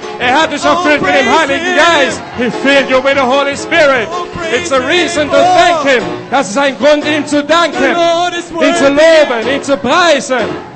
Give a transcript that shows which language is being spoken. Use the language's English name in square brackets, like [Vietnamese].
[German] Er hat dich erfüllt mit dem Heiligen Geist. [English] He filled you with the Holy Spirit. It's a reason to thank him. [German] Das ist ein Grund, ihm zu danken. Ihn zu loben, ihn zu preisen.